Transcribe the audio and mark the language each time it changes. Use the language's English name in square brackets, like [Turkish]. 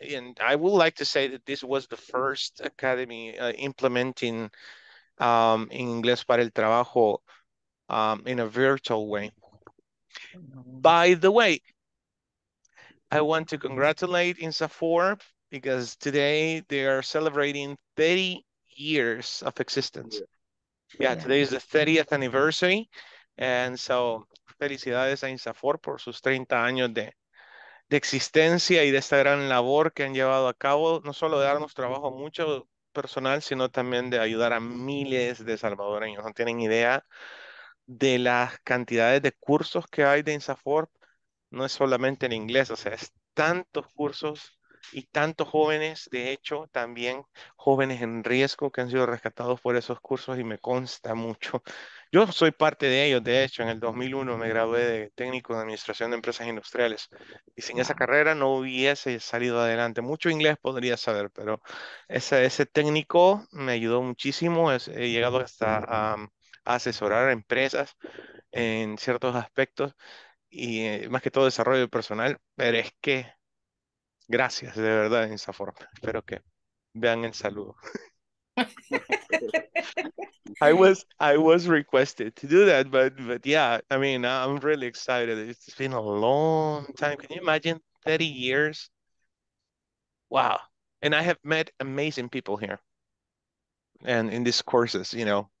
[English] And I would like to say that this was the first academy implementing Inglés para el Trabajo in a virtual way. By the way, I want to congratulate INSAFOR, because today they are celebrating 30 years of existence. Yeah, today is the 30th anniversary. And so, [Spanish] felicidades a INSAFOR por sus 30 años de existencia y de esta gran labor que han llevado a cabo, no solo de darnos trabajo mucho personal, sino también de ayudar a miles de salvadoreños. No tienen idea de las cantidades de cursos que hay de INSAFOR, no es solamente en inglés, o sea, es tantos cursos y tantos jóvenes, de hecho, también jóvenes en riesgo que han sido rescatados por esos cursos, y me consta mucho. Yo soy parte de ellos, de hecho, en el 2001 me gradué de técnico de administración de empresas industriales. Y sin esa carrera no hubiese salido adelante. Mucho inglés podría saber, pero ese técnico me ayudó muchísimo. He llegado hasta a asesorar a empresas en ciertos aspectos, y más que todo desarrollo personal. Pero es que, gracias, de verdad, en esa forma. Espero que vean el saludo. [English] I was requested to do that, but yeah, I mean, I'm really excited. It's been a long time. Can you imagine 30 years? Wow. And I have met amazing people here and in these courses, you know.